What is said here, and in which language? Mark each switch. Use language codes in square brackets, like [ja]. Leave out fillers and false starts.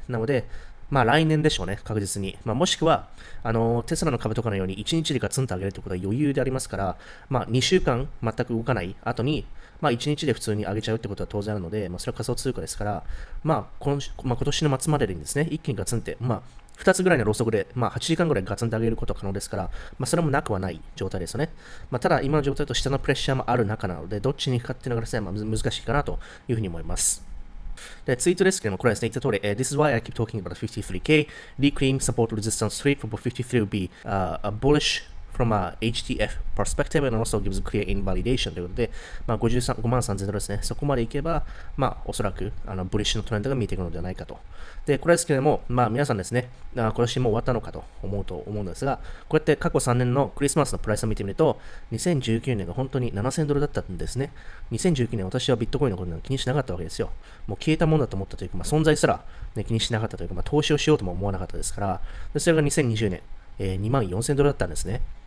[ja] なので、まあ来年でしょうね、確実に。まあもしくは、テスラの株とかのように1日でガツンと上げるってことは余裕でありますから、まあ2週間全く動かない後に、まあ1日で普通に上げちゃうってことは当然あるので、まあそれは仮想通貨ですから、まあ今年の末までにですね、一気にガツンって、まあ2つぐらいのロウソクで、まあ8時間ぐらいガツンと上げることは可能ですから、まあそれもなくはない状態ですよね。まあただ今の状態と下のプレッシャーもある中なので、どっちに行くかっていうのがですね、まあ難しいかなというふうに思います。でツイートですけども、これはですね、言った通り、 [en] This is why I keep talking about 53K. Reclaim support resistance 3 for 53 will be a bullish from a HTF perspective and also gives clear invalidation [ja] ということで、まあ、5万3000ドルですね。そこまでいけば、まあ、おそらく、ブリッシュのトレンドが見えていくのではないかと。で、これですけども、まあ、皆さんですね、今年も終わったのかと思うと思うんですが、こうやって過去3年のクリスマスのプライスを見てみると、2019年が本当に7000ドルだったんですね。 2019年、私はビットコインのことなんか気にしなかったわけですよ。もう消えたもんだと思ったというか、まあ、存在すら、ね、気にしなかったというか、まあ、投資をしようとも思わなかったですから、でそれが2020年、2万4000ドルだったんですね。